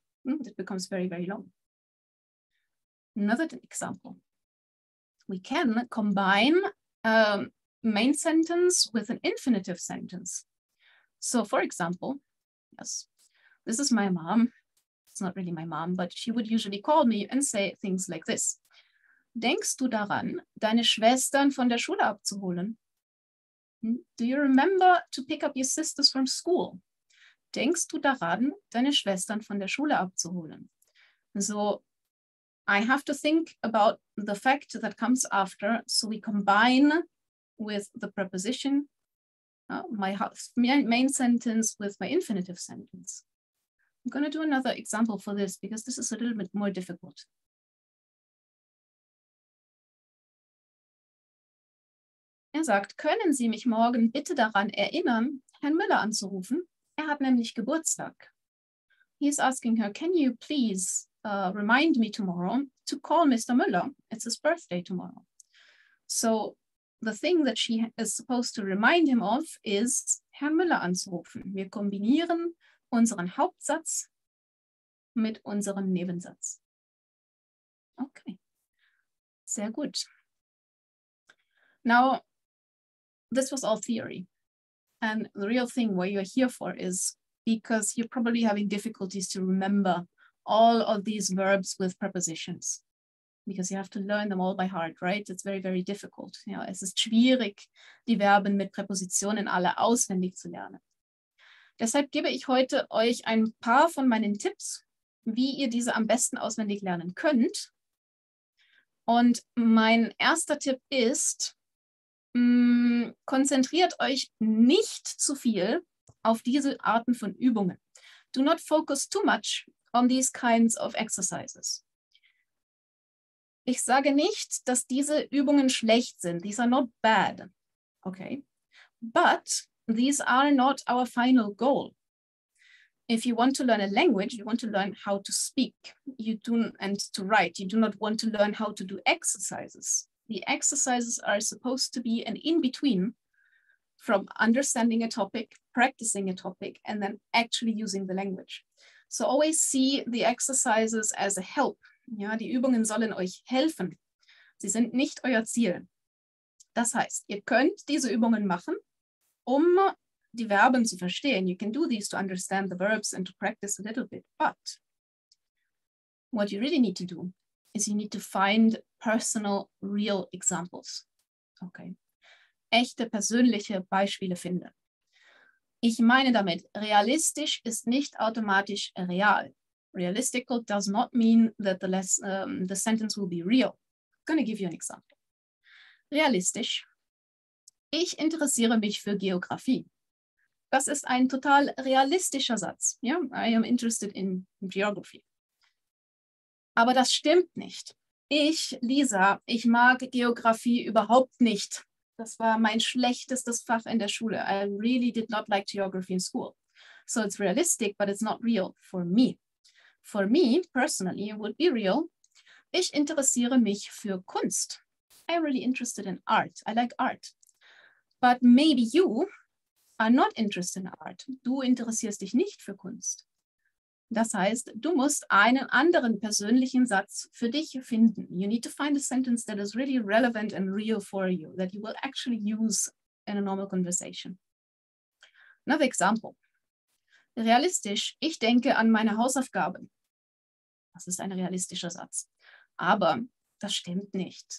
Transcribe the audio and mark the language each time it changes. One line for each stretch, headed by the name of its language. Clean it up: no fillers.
English: It becomes very, very long. Another example. We can combine a main sentence with an infinitive sentence. So for example, yes, this is my mom. It's not really my mom, but she would usually call me and say things like this.
German: Denkst du daran, deine Schwestern von der Schule abzuholen?
English: Do you remember to pick up your sisters from school?
German: Denkst du daran, deine Schwestern von der Schule abzuholen?
English: So I have to think about the fact that comes after. So we combine with the preposition, my main sentence with my infinitive sentence. I'm going to do another example for this because this is a little bit more difficult.
German: Er sagt, können Sie mich morgen bitte daran erinnern, Herrn Müller anzurufen? Er hat nämlich Geburtstag.
English: He is asking her, can you please remind me tomorrow to call Mr. Müller? It's his birthday tomorrow. So the thing that she is supposed to remind him of is
German: Herrn Müller anzurufen. Wir kombinieren unseren Hauptsatz mit unserem Nebensatz. Okay, sehr gut.
English: Now, this was all theory. And the real thing, what you're here for, is because you're probably having difficulties to remember all of these verbs with prepositions, because you have to learn them all by heart, right? It's very, very difficult.
German: Ja, es ist schwierig, die Verben mit Präpositionen alle auswendig zu lernen. Deshalb gebe ich heute euch ein paar von meinen Tipps, wie ihr diese am besten auswendig lernen könnt. Und mein erster Tipp ist, konzentriert euch nicht zu viel auf diese Arten von Übungen.
English: Do not focus too much on these kinds of exercises.
German: Ich sage nicht, dass diese Übungen schlecht sind.
English: These are not bad. Okay. But these are not our final goal. If you want to learn a language, you want to learn how to speak and to write. You do not want to learn how to do exercises. The exercises are supposed to be an in-between from understanding a topic, practicing a topic, and then actually using the language. So always see the exercises as a help.
German: Ja, die Übungen sollen euch helfen. Sie sind nicht euer Ziel. Das heißt, ihr könnt diese Übungen machen, um die Verben zu verstehen.
English: You can do these to understand the verbs and to practice a little bit. But what you really need to do is you need to find personal, real examples.
German: Okay. Echte, persönliche Beispiele finden. Ich meine damit, realistisch ist nicht automatisch real.
English: Realistical does not mean that the sentence will be real. I'm going to give you an example.
German: Realistisch. Ich interessiere mich für Geografie. Das ist ein total realistischer Satz.
English: Yeah? I am interested in geography.
German: Aber das stimmt nicht. Ich, Lisa, ich mag Geografie überhaupt nicht. Das war mein schlechtestes Fach in der Schule.
English: I really did not like geography in school. So it's realistic, but it's not real for me. For me, personally, it would be real.
German: Ich interessiere mich für Kunst.
English: I'm really interested in art. I like art. But maybe you are not interested in art.
German: Du interessierst dich nicht für Kunst. Das heißt, du musst einen anderen persönlichen Satz für dich finden.
English: You need to find a sentence that is really relevant and real for you, that you will actually use in a normal conversation. Another example.
German: Realistisch, ich denke an meine Hausaufgaben. Das ist ein realistischer Satz. Aber das stimmt nicht.